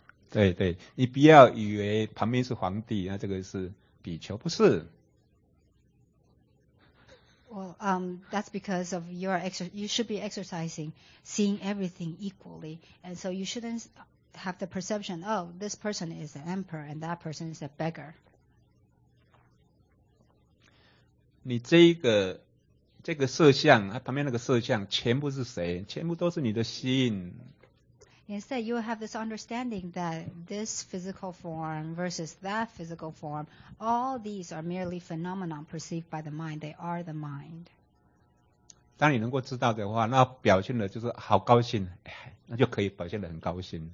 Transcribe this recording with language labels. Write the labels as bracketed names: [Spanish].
[Chinese] 对对，你不要以为旁边是皇帝，那这个是比丘，不是。 [English] Well, that's because of you should be exercising seeing everything equally, and so you shouldn't have the perception, oh, this person is an emperor and that person is a beggar. [Chinese] 你这个色相，旁边那个色相，全部是谁？全部都是你的心。 [English] Instead, you have this understanding that this physical form versus that physical form, all these are merely phenomena perceived by the mind. They are the mind. [Chinese] 当你能够知道的话，那表现的就是好高兴，那就可以表现得很高兴。